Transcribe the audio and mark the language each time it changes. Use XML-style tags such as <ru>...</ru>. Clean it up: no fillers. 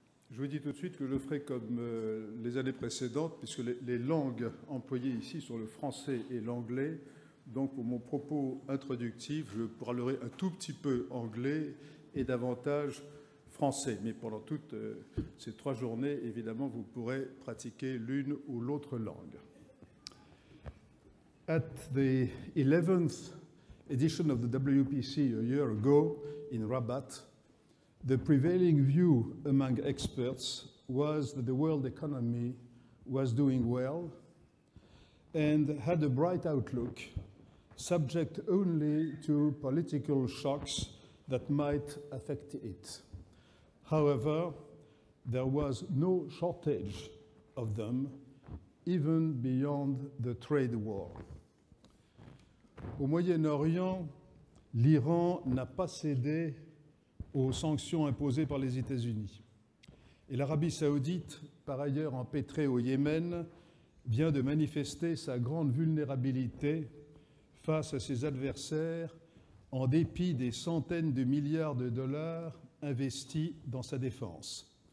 <fr>Je vous dis tout de suite que je le ferai comme les années précédentes, puisque les langues employées ici sont le français et l'anglais. Donc, pour mon propos introductif, je parlerai un tout petit peu anglais et davantage français. Mais pendant toutes ces trois journées, évidemment, vous pourrez pratiquer l'une ou l'autre langue.</fr> <en>At the 11th edition of the WPC a year ago in Rabat, the prevailing view among experts was that the world economy was doing well and had a bright outlook, subject only to political shocks that might affect it. However, there was no shortage of them, even beyond the trade war.</en> <fr>Au Moyen-Orient, l'Iran n'a pas cédé aux sanctions imposées par les États-Unis. Et l'Arabie saoudite, par ailleurs empêtrée au Yémen, vient de manifester sa grande vulnérabilité face à ses adversaires en dépit des centaines de milliards de dollars investis dans sa défense.</fr>